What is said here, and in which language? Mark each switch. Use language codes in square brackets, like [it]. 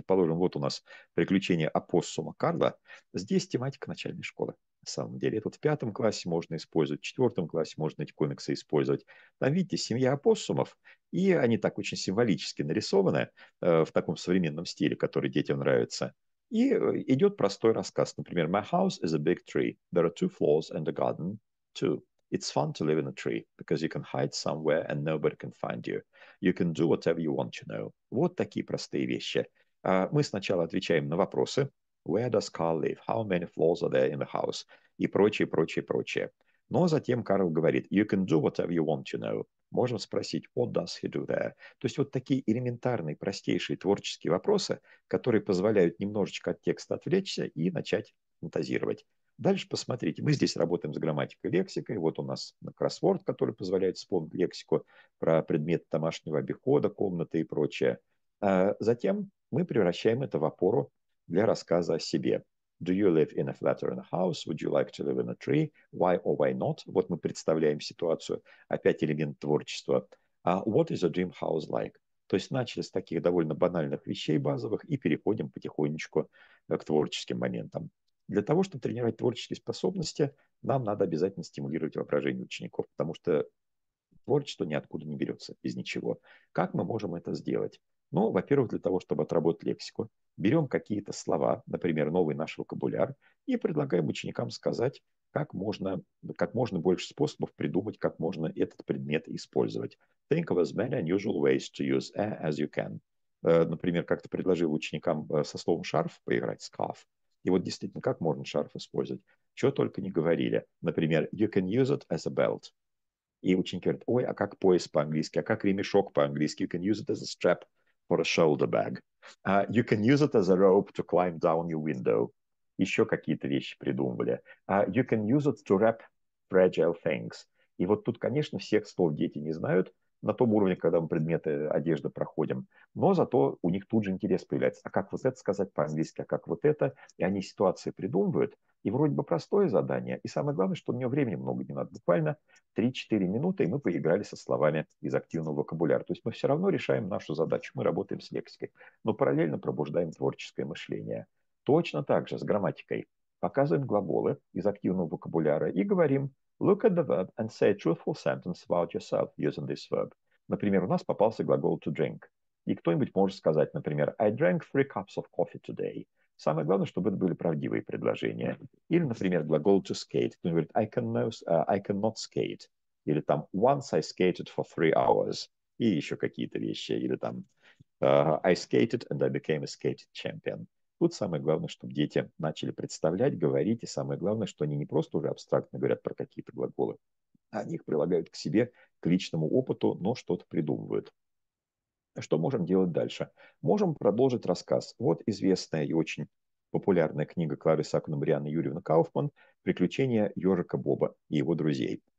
[ru] Предположим, вот у нас приключение опоссума Карла. Здесь тематика начальной школы. На самом деле, это вот в пятом классе можно использовать, в четвертом классе можно эти комиксы использовать. Там, видите, семья опоссумов, и они так очень символически нарисованы в таком современном стиле, который детям нравится. И идет простой рассказ. Например, [en] «My house is a big tree. There are two floors and a garden, too. It's fun to live in a tree, because you can hide somewhere and nobody can find you. You can do whatever you want to know». [ru] Вот такие простые вещи. Мы сначала отвечаем на вопросы. [en] Where does Carl live? How many floors are there in the house? [ru] И прочее, прочее, прочее. Но затем Карл говорит, [en] you can do whatever you want to know. [ru] Можем спросить, [en] what does he do there? [ru] То есть вот такие элементарные, простейшие творческие вопросы, которые позволяют немножечко от текста отвлечься и начать фантазировать. Дальше посмотрите, мы здесь работаем с грамматикой и лексикой. Вот у нас кроссворд, который позволяет вспомнить лексику про предметы домашнего обихода, комнаты и прочее. Затем мы превращаем это в опору для рассказа о себе. [en] Do you live in a flat or in a house? Would you like to live in a tree? Why or why not? [ru] Вот мы представляем ситуацию. Опять элемент творчества. [en] What is a dream house like? [ru] То есть начали с таких довольно банальных вещей базовых и переходим потихонечку к творческим моментам. Для того, чтобы тренировать творческие способности, нам надо обязательно стимулировать воображение учеников, потому что творчество ниоткуда не берется, из ничего. Как мы можем это сделать? Ну, во-первых, для того, чтобы отработать лексику, берем какие-то слова, например, новый наш вокабуляр, и предлагаем ученикам сказать, как можно больше способов придумать, как можно этот предмет использовать. [en] Think of as many unusual ways to use a as you can. [ru] Например, как-то предложил ученикам со словом «шарф» поиграть, «scarf». И вот действительно, как можно шарф использовать? Чего только не говорили. Например, [en] you can use it as a belt. [ru] И ученики говорят, ой, а как пояс по-английски, а как ремешок по-английски? [en] You can use it as a strap for a shoulder bag. You can use it as a rope to climb down your window. [ru] Еще какие-то вещи придумывали. [en] You can use it to wrap fragile things. [ru] И вот тут, конечно, всех слов дети не знают на том уровне, когда мы предметы одежды проходим. Но зато у них тут же интерес появляется. А как вот это сказать по-английски, а как вот это? И они ситуации придумывают. И вроде бы простое задание. И самое главное, что у него времени много не надо. Буквально 3-4 минуты, и мы поиграли со словами из активного вокабуляра. То есть мы все равно решаем нашу задачу. Мы работаем с лексикой. Но параллельно пробуждаем творческое мышление. Точно так же с грамматикой. Показываем глаголы из активного вокабуляра и говорим [en] look at the verb and say a truthful sentence about yourself using this verb. [ru] Например, у нас попался глагол to drink. И кто-нибудь может сказать, например, [en] I drank 3 cups of coffee today. [ru] Самое главное, чтобы это были правдивые предложения. Или, например, глагол to skate. Кто-нибудь говорит, [en] I cannot skate. [ru] Или там, [en] once I skated for 3 hours. [ru] И еще какие-то вещи. Или там, [en] I skated and I became a skated champion. [ru] Тут самое главное, чтобы дети начали представлять, говорить, и самое главное, что они не просто уже абстрактно говорят про какие-то глаголы, а они их прилагают к себе, к личному опыту, но что-то придумывают. Что можем делать дальше? Можем продолжить рассказ. Вот известная и очень популярная книга Кларисы Акунабрианы и Юрьевны Кауфман «Приключения ежика Боба и его друзей».